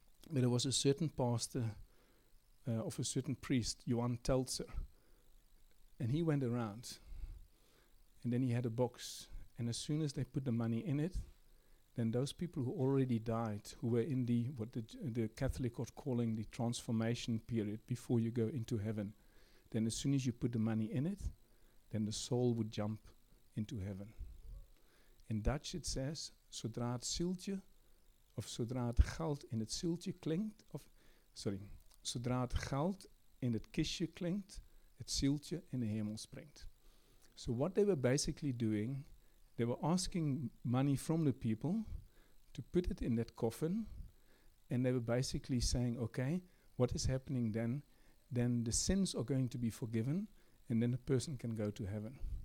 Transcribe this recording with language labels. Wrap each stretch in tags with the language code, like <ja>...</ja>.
<en>But there was a certain pastor of a certain priest, Johann Telzer, and he went around, and then he had a box, and as soon as they put the money in it, then those people who already died, who were in the what the Catholic are calling the transformation period before you go into heaven, then as soon as you put the money in it, then the soul would jump into heaven. In Dutch it says,</en> <nl>zodra het zieltje, of zodra het geld in het zieltje klinkt, of sorry, zodra het geld in het kistje klinkt, het zieltje in de hemel springt.</nl> <en>So what they were basically doing, they were asking money from the people to put it in that coffin, and they were basically saying, okay, what is happening then? Then the sins are going to be forgiven, and then the person can go to heaven.</en>